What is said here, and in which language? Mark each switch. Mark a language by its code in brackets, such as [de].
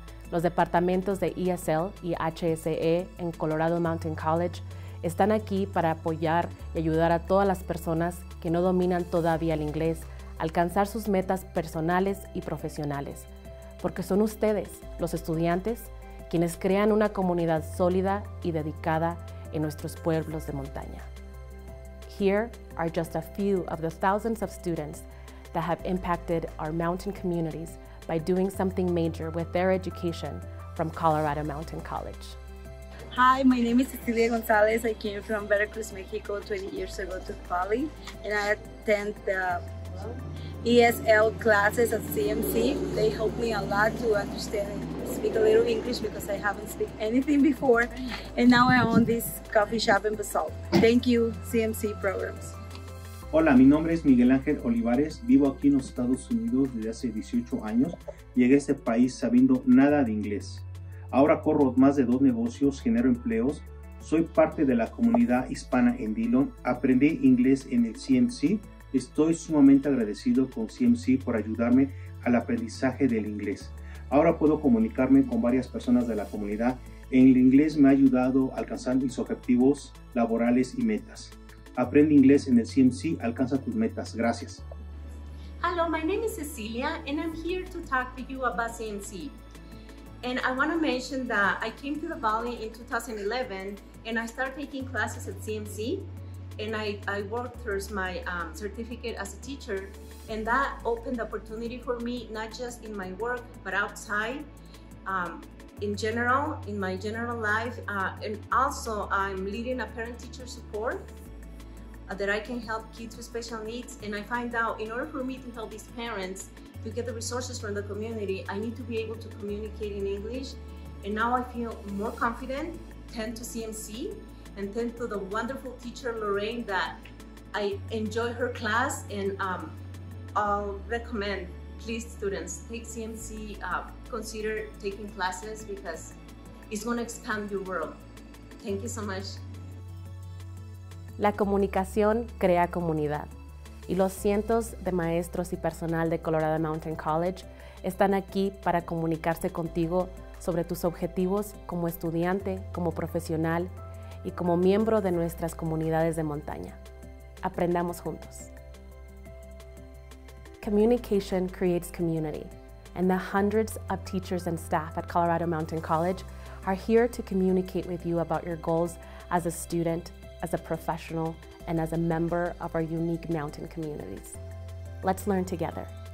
[es] Los departamentos de ESL y HSE en Colorado Mountain College están aquí para apoyar y ayudar a todas las personas que no dominan todavía el inglés a alcanzar sus metas personales y profesionales, porque son ustedes, los estudiantes, quienes crean una comunidad sólida y dedicada en nuestros pueblos de montaña. [en] Here are just a few of the thousands of students that have impacted our mountain communities by doing something major with their education from Colorado Mountain College. Hi, my name is Cecilia Gonzalez. I came from Veracruz, Mexico 20 years ago to Cali, and I attend the ESL classes at CMC. They helped me a lot to understand and speak a little English because I haven't speak anything before. And now I own this coffee shop in Basalt. Thank you, CMC programs. [es] Hola, mi nombre es Miguel Ángel Olivares. Vivo aquí en los Estados Unidos desde hace 18 años. Llegué a este país sabiendo nada de inglés. Ahora corro más de dos negocios, genero empleos. Soy parte de la comunidad hispana en Dillon. Aprendí inglés en el CMC. Estoy sumamente agradecido con CMC por ayudarme al aprendizaje del inglés. Ahora puedo comunicarme con varias personas de la comunidad. El inglés me ha ayudado a alcanzar mis objetivos laborales y metas. Aprende inglés en el CMC, alcanza tus metas. Gracias. [en] Hello, my name is Cecilia and I'm here to talk to you about CMC. And I want to mention that I came to the Valley in 2011 and I started taking classes at CMC and I worked towards my certificate as a teacher, and that opened the opportunity for me, not just in my work, but outside, in general, in my general life. And also I'm leading a parent-teacher support that I can help kids with special needs. And I find out in order for me to help these parents to get the resources from the community, I need to be able to communicate in English. And now I feel more confident, tend to CMC, and tend to the wonderful teacher, Lorraine, that I enjoy her class. And I'll recommend, please students, take CMC, consider taking classes because it's gonna expand your world. Thank you so much. [es] La comunicación crea comunidad, y los cientos de maestros y personal de Colorado Mountain College están aquí para comunicarse contigo sobre tus objetivos como estudiante, como profesional y como miembro de nuestras comunidades de montaña. Aprendamos juntos. [en] Communication creates community, and the hundreds of teachers and staff at Colorado Mountain College are here to communicate with you about your goals as a student, as a professional, and as a member of our unique mountain communities. Let's learn together.